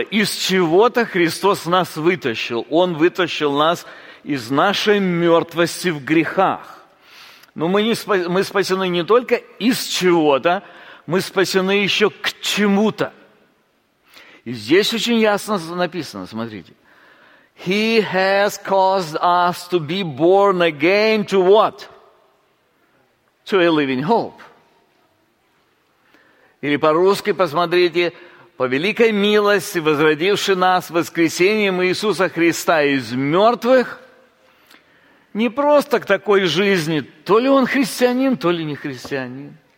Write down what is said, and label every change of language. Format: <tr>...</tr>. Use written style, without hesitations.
<ru>Из чего-то Христос нас вытащил. Он вытащил нас из нашей мертвости в грехах. Но мы спасены не только из чего-то, мы спасены еще к чему-то. И здесь очень ясно написано, смотрите.</ru> <en>He has caused us to be born again to what? To a living hope.</en> <ru>Или по-русски посмотрите, по великой милости, возродивший нас воскресением Иисуса Христа из мертвых, не просто к такой жизни, то ли он христианин, то ли не христианин.</ru>